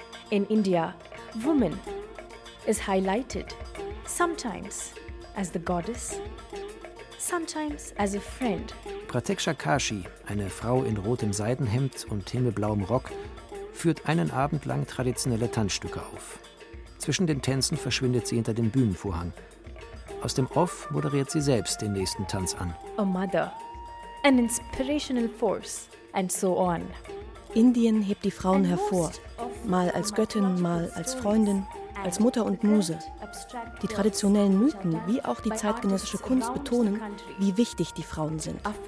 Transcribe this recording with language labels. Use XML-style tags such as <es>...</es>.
<en>In India, woman is highlighted sometimes as the goddess, sometimes as a friend.</en> <de>Prateksha Kashi, eine Frau in rotem Seidenhemd und himmelblauem Rock, führt einen Abend lang traditionelle Tanzstücke auf. Zwischen den Tänzen verschwindet sie hinter dem Bühnenvorhang. Aus dem Off moderiert sie selbst den nächsten Tanz an.</de> <en>A mother, an inspirational force, and so on.</en> <de>Indien hebt die Frauen hervor, mal als Göttin, mal als Freundin, als Mutter und Muse. Die traditionellen Mythen wie auch die zeitgenössische Kunst betonen, wie wichtig die Frauen sind.</de>